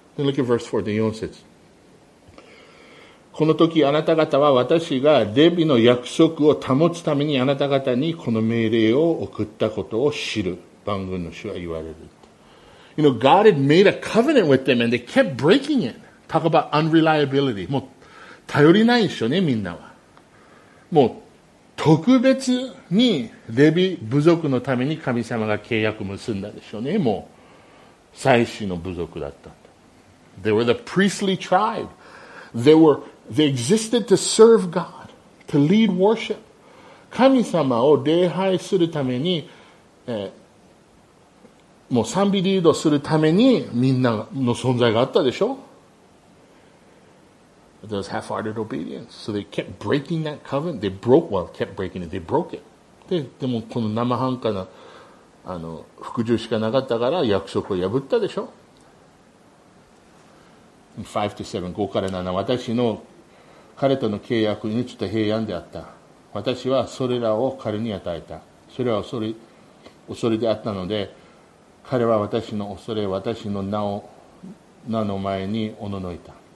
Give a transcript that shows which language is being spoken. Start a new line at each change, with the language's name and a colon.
English: Then look at verse 4, 第4節。
Japanese: この時あなた方は私がレビの約束を保つためにあなた方にこの命令を送ったことを知る。万軍の主は言われる。
English: You know, God had made a covenant with them and they kept breaking it. Talk about unreliability.
Japanese: もう、頼りないでしょね、みんなは。もう、特別に、レビ部族のために神様が契約結んだでしょうね、もう、祭司の部族だった。
English: They were the priestly tribe. They existed to serve God, to lead worship.
Japanese: 神様を礼拝するために、もう賛美リードするためにみんなの存在があったでしょ
English: There was half-hearted obedience. So they kept breaking that covenant. They broke, well, kept breaking it. They broke it.
Japanese: でもこの生半可な、あの、服従しかなかったから約束を破ったでしょ 5 to 7, 5から7、私の彼との契約にちょっと平安であった。私はそれらを彼に与えた。それは恐れであったので、彼は私の恐れ、私の名の前におののいた。